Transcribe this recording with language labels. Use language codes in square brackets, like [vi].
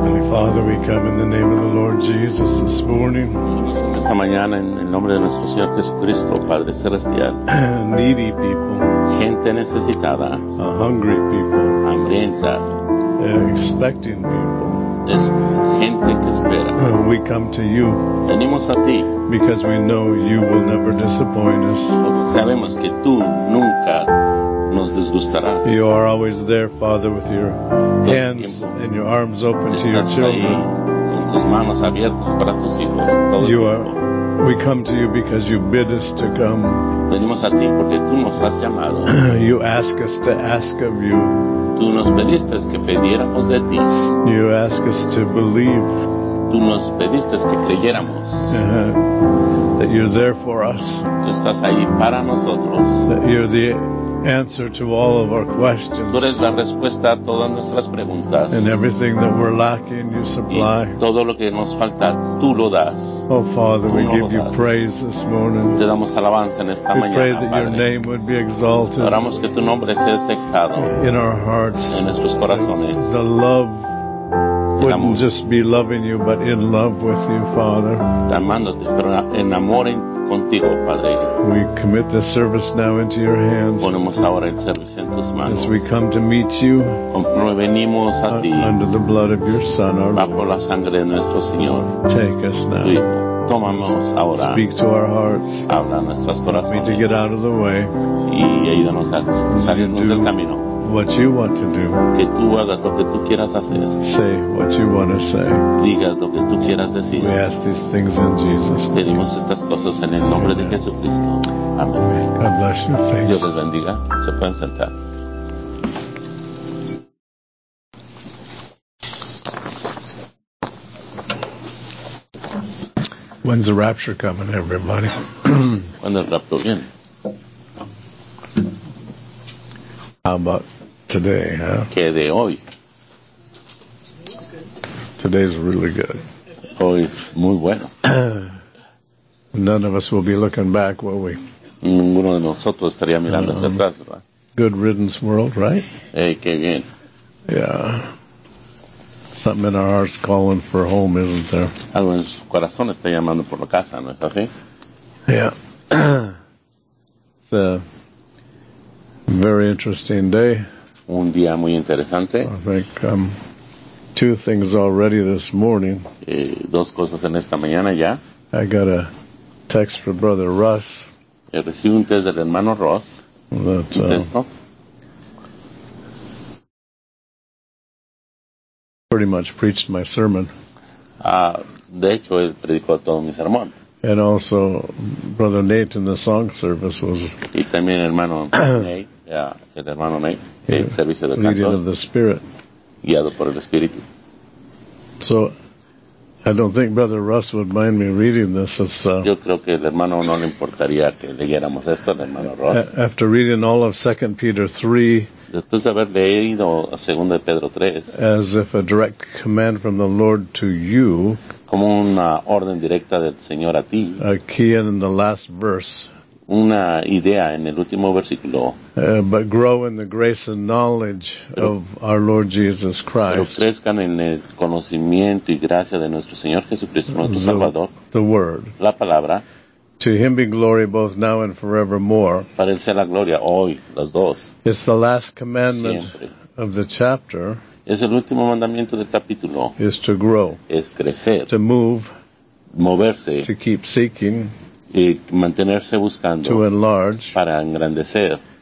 [en] Father, we come in the name of the Lord Jesus this morning. [es] Esta mañana en el nombre de nuestro Señor Jesucristo, Padre celestial. [en] Needy people. [es] Gente necesitada. [en] A hungry people. [es] Hambrienta. [en] Expecting people. [es] Es gente que espera. [en] We come to you. [es] Venimos a ti. [en] Because we know you will never disappoint us. [es] Porque sabemos que tú nunca nos disgustarás. [en] You are always there, Father, with your hands and your arms open to your children. [es] Con tus manos abiertas para tus hijos todo [en] you [es] el [en] are, [es] tiempo. [en] We come to you because you bid us to come. [es] Venimos a ti porque tú nos has llamado. [en] You ask us to ask of you. [es] Tú nos pediste que pidiéramos de ti. [en] You ask us to believe. [es] Tú nos pediste que creyéramos. [en] That you're there for us. [es] Tú estás ahí para nosotros. [en] That you're the answer to all of our questions. [es] Tú eres la respuesta a todas nuestras preguntas. [en] And everything that we're lacking, you supply. [es] Y todo lo que nos falta, tú lo das. [en] Oh Father, we give you praise this morning. [es] Te damos alabanza en esta mañana, Padre. [en] We pray that your name would be exalted. [es] Oramos que tu nombre sea exaltado. [en] In our hearts. [es] En nuestros corazones. [en] The love wouldn't just be loving you, but in love with you, Father. [es] Amándote, pero en amor en contigo, Padre. [en] We commit the service now into your hands. [es] Ponemos ahora el servicio en tus manos. [en] As we come to meet you, [es] venimos a ti, [en] under the blood of your Son, our [es] bajo [en] Lord. [es] La sangre de nuestro Señor. [en] Take us now. [es] Sí. Tómanos ahora. [en] Speak to our hearts. [es] Habla a nuestros corazones. [en] Help me to get out of the way. [es] Y ayúdanos a salirnos del camino. [en] What you want to do. [es] Que tú hagas lo que tú quieras hacer. [en] Say what you want to say. [es] Digas lo que tú quieras decir. [en] We ask these things in Jesus' name. [es] Pedimos estas cosas en el nombre de Jesucristo. Amén. [en] God bless you. Thanks. [es] Dios les bendiga. Se pueden sentar. [en] When's the rapture coming, everybody? [es] ¿Cuándo el rapto viene? [en] How about today, huh? [es] ¿Qué de hoy? [en] Today's really good. [es] Hoy es muy bueno. [en] None of us will be looking back, will we? [es] Ninguno de nosotros estaría mirando hacia atrás, ¿verdad? [en] Good riddance world, right? [es] Hey, qué bien. [en] Yeah. Something in our hearts calling for home, isn't there? [es] Algo en su corazón está llamando por la casa, ¿no es así? [en] Yeah. It's a very interesting day. [es] Un día muy interesante. [en] I think two things already this morning. [es] Dos cosas en esta mañana ya. [en] I got a text from Brother Russ. [es] Recibí un texto del hermano Ross. [en] That, pretty much preached my sermon. [es] De hecho, él predicó todo mi sermón. [en] And also, Brother Nate in the song service was. [es] Y también hermano Nate. Yeah, el hermano Nate, el servicio de cantos, [en] leading of the Spirit. [es] Guiado por el Espíritu. [en] So, I don't think Brother Russ would mind me reading this. [es] Yo creo que el hermano no le importaría que leyéramos esto, el hermano Russ. [en] After reading all of 2 Peter 3, [es] después de haber leído 2 Pedro 3, [en] as if a direct command from the Lord to you, [es] como una orden directa del Señor a ti, [en] a key in the last verse, [es] una idea en el último versículo. [en] But grow in the grace and knowledge of our Lord Jesus Christ. [es] Pero crezcan en el conocimiento y gracia de nuestro Señor Jesucristo, nuestro Salvador. [en] The word. [es] La palabra. [en] To him be glory both now and forevermore. [es] Para él sea la gloria hoy, las dos. [en] It's the last commandment [es] siempre [en] of the chapter. [es] Es el último mandamiento del capítulo. [en] Is to grow. [es] Es crecer. [en] To move. [es] Moverse. [en] To keep seeking. [es] Y mantenerse buscando, [en] to enlarge, [es] para engrandecer.